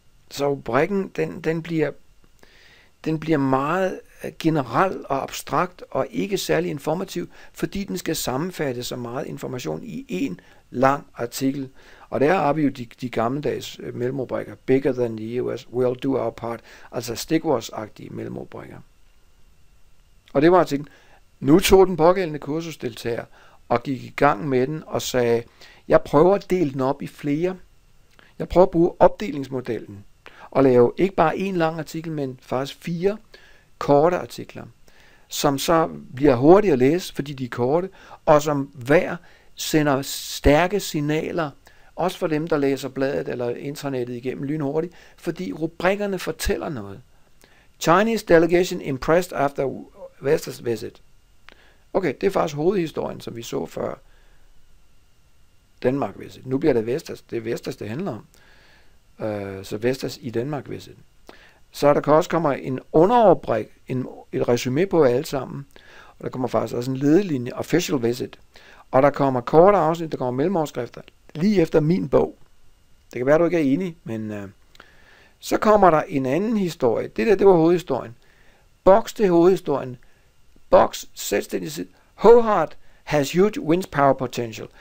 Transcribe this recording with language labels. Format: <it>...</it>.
<da>Så rubrikken, den bliver meget generel og abstrakt og ikke særlig informativ, fordi den skal sammenfatte så meget information i en lang artikel. Og der har vi jo de gammeldags mellemrubrikker.</da> <en>Bigger than the US, we'll do our part.</en> <da>Altså stikordsagtige mellemrubrikker. Og det var artiklen. Nu tog den pågældende kursusdeltager og gik i gang med den og sagde, jeg prøver at dele den op i flere. Jeg prøver at bruge opdelingsmodellen og lave ikke bare en lang artikel, men faktisk fire korte artikler, som så bliver hurtigere at læse, fordi de er korte, og som hver sender stærke signaler, også for dem, der læser bladet eller internettet igennem lynhurtigt, fordi rubrikkerne fortæller noget.</da> <en>Chinese delegation impressed after Vestas visit.</en> <da>Okay, det er faktisk hovedhistorien, som vi så før Danmark visit. Nu bliver det Vestas, det er Vestas, det handler om. Så Vestas i Danmark visit. Så der kan også komme en underoverbræk, et resume på alle sammen, og der kommer faktisk også en ledelinje,</da> <en>official visit,</en> <da>og der kommer korte afsnit, der kommer mellemoverskrifter, lige efter min bog. Det kan være, du ikke er enig, men så kommer der en anden historie. Det der, det var hovedhistorien. Boks til hovedhistorien. Boks selvstændig sit.</da> <en>Hohart has huge wind power potential.</en>